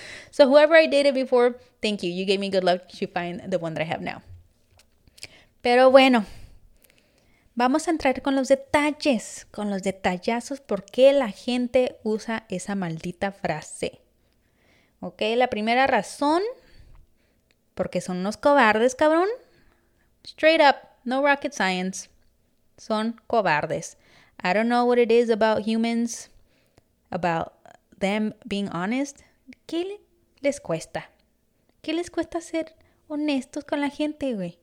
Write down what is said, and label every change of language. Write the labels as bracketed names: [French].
[English] So whoever I dated before, thank you. You gave me good luck to find the one that I have now. [Spanish] Pero bueno, vamos a entrar con los detalles, con los detallazos, por qué la gente usa esa maldita frase. Ok, la primera razón, porque son unos cobardes, cabrón. [English] Straight up, no rocket science. [Spanish] Son cobardes. [English] I don't know what it is about humans, about them being honest. [Spanish] ¿Qué les cuesta? ¿Qué les cuesta ser honestos con la gente, güey?